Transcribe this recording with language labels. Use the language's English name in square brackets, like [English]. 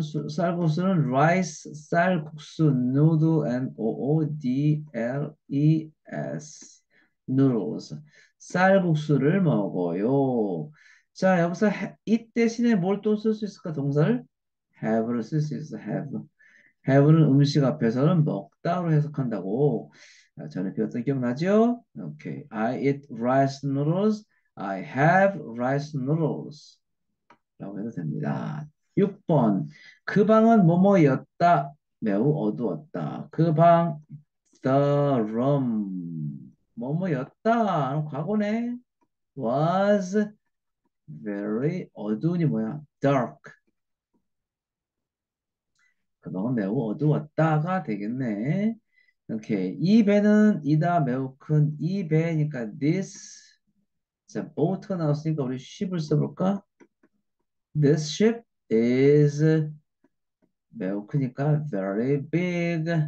[Korean] 쌀국수는 rice 쌀국수 noodle n o o d l e s noodles 쌀국수를 먹어요. 자 여기서 eat 대신에 뭘또쓸수 있을까? 동사를 have를 쓸수 있어. have는 음식 앞에서는 먹다로 해석한다고 전에 배웠던 기억나죠? [English] 오케이, I eat rice noodles. I have rice noodles. [Korean] 라고 해도 됩니다. [English] 6번. [Korean] 그 방은 뭐뭐였다. 매우 어두웠다. 그 방, the room. 뭐뭐였다. 과거네. [English] was very [Korean] 어두운이 뭐야? [English] dark. [Korean] 그 방은 매우 어두웠다가 되겠네. 오케이. 이 배는 이다. 매우 큰이 배니까 this. 자, 보트가 나왔으니까 우리 ship을 써볼까? [English] This ship is [Korean] 매우 크니까 [English] very big.